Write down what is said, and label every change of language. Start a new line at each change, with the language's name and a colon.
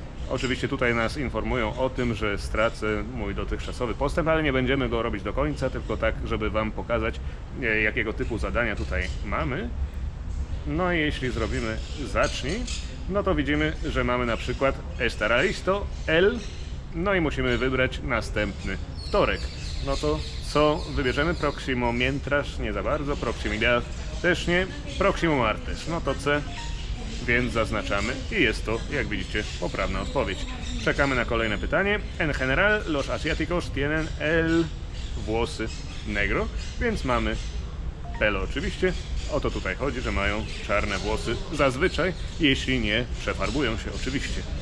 Polish: Oczywiście tutaj nas informują o tym, że stracę mój dotychczasowy postęp, ale nie będziemy go robić do końca, tylko tak, żeby wam pokazać, jakiego typu zadania tutaj mamy. No i jeśli zrobimy zacznij, no to widzimy, że mamy na przykład
Spanish: estará listo, el,
Polish: no i musimy wybrać następny wtorek. No to co wybierzemy?
Spanish: Próximo mientras,
Polish: nie za bardzo,
Spanish: próximo día,
Polish: też nie,
Spanish: próximo martes,
Polish: no to C. Więc zaznaczamy i jest to, jak widzicie, poprawna odpowiedź. Czekamy na kolejne pytanie.
Spanish: En general los asiáticos tienen el
Polish: włosy negro, więc mamy pelo oczywiście. O to tutaj chodzi, że mają czarne włosy zazwyczaj, jeśli nie przefarbują się oczywiście.